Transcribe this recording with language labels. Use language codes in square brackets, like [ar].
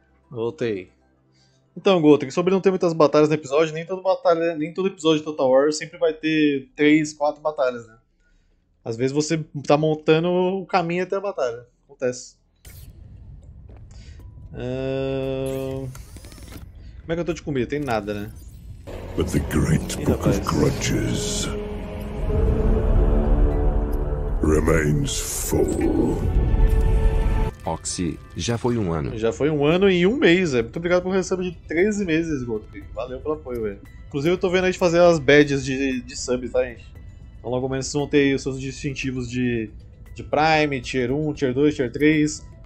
[pt] Voltei. Então, Goto, sobre não ter muitas batalhas no episódio, nem todo episódio de Total War sempre vai ter 3, 4 batalhas, né? Às vezes você tá montando o caminho até a batalha. Acontece. Como é que eu tô de comida? Tem nada, né? [en] But the great book of grudges remains full. [pt] Oxi, já foi um ano. Já foi um ano e um mês, é. Muito obrigado pelo recebo de 13 meses, Goto. Valeu pelo apoio, velho. Inclusive, eu tô vendo a gente fazer as badges de subs, tá, gente? Então, logo menos vocês vão ter os seus distintivos de Prime, Tier 1, Tier 2, Tier 3.